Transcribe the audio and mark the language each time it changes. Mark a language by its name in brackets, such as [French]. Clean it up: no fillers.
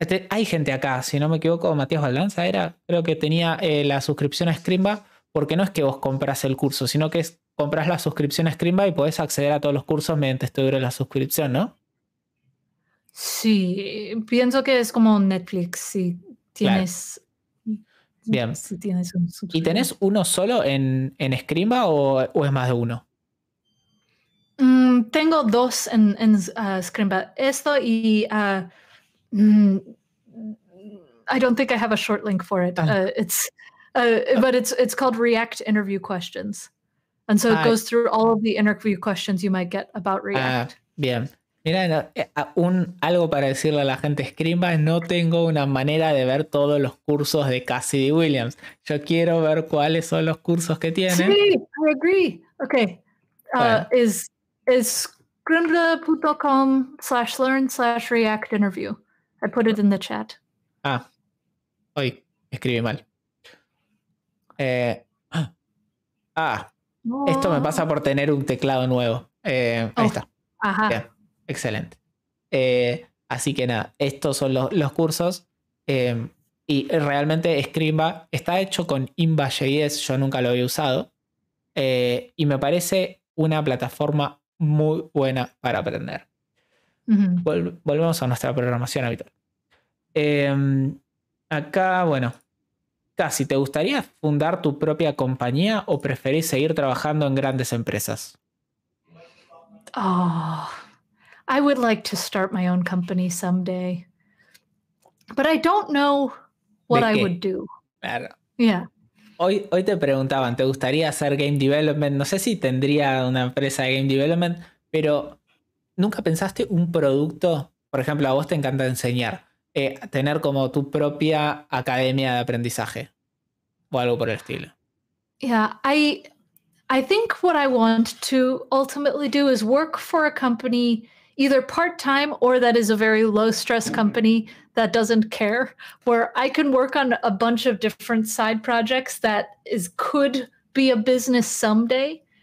[Spanish] Hay gente acá, si no me equivoco, Matías Valdanza era, creo que tenía la suscripción a Scrimba, porque no es que vos compras el curso, sino que compras la suscripción a Scrimba y podés acceder a todos los cursos mediante este libro de la suscripción, ¿no? Sí, pienso que es como Netflix, si tienes. Claro. Bien. Si tienes un suscriptor. ¿Y tenés uno solo en Scrimba o es más de uno? Tengo dos en Scrimba. Esto y. [English] I don't think I have a short link for it. But it's called React Interview Questions. And so it goes through all of the interview questions you might get about React. [Spanish] Bien. Mira, algo para decirle a la gente Scrimba, no tengo una manera de ver todos los cursos de Cassidy Williams. Yo quiero ver cuáles son los cursos que tienen. Sí, [English] I agree. Okay. Is scrimba.com/learn/react-interview. I put it in the chat. [Spanish] Hoy escribí mal. Esto me pasa por tener un teclado nuevo. Ahí está. Ajá. Bien, excelente. Así que nada, estos son los cursos. Y realmente Scrimba está hecho con Inba.js. Yo nunca lo había usado. Y me parece una plataforma muy buena para aprender. Uh-huh. Volvemos a nuestra programación habitual. Acá, bueno, Casi, ¿te gustaría fundar tu propia compañía o preferís seguir trabajando en grandes empresas? [English] Oh, I would like to start my own company someday. But I don't know what I would do. [Spanish] Claro. [English] Yeah. [Spanish] Hoy te preguntaban, ¿te gustaría hacer game development? No sé si tendría una empresa de game development, pero ¿nunca pensaste un producto? Por ejemplo, a vos te encanta enseñar. Tener como tu propia academia de aprendizaje o algo por el estilo. [English] Yeah, I think what I want to ultimately do is work for a company either part-time or that is a very low-stress company that doesn't care, where I can work on a bunch of different side projects that could be a business someday.